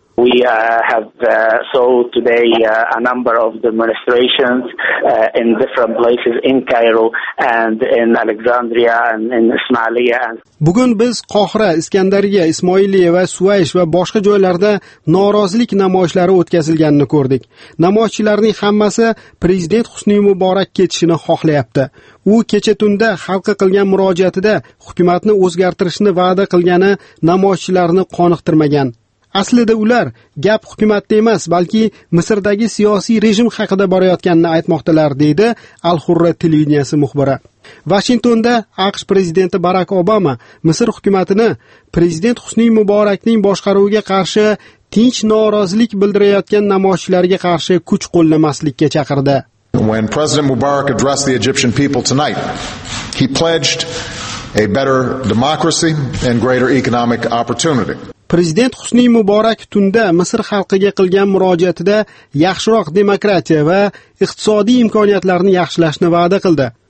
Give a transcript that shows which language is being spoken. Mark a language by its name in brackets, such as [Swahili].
[English] We have saw today a number of demonstrations in different places in Cairo and in Alexandria and in Ismailia. [Uzbek] Bugun biz Qohira, Iskandariya, Ismoiliya va Suvaysh va boshqa joylarda norozilik namoyishlari o'tkazilganini ko'rdik. Namoyishchilarning hammasi prezident Husni Muborak ketishini xohlayapti. U kecha tunda xalqqa qilgan murojaatida hukumatni o'zgartirishni va'da qilgani namoyishchilarni qoniqtirmagan. Aslida ular gap hukumatda emas, balki Misrdagi siyosiy rejim haqida borayotganini aytmoqdilar, deydi Al-Hurra televideniyasi muxbiri. Vashingtonda AQSh prezidenti Barak Obama Misr hukumatini prezident Husni Muborakning boshqaruviga qarshi tinch norozilik bildirayotgan namoyishchilarga qarshi kuch qo'llamaslikka chaqirdi. [English] When President Mubarak addressed the Egyptian people tonight, he pledged a better democracy and greater economic opportunity. [Uzbek] Prezident Husni Muborak tunda Misr xalqiga qilgan murojaatida yaxshiroq demokratiya va iqtisodiy imkoniyatlarni yaxshilashni va'da qildi.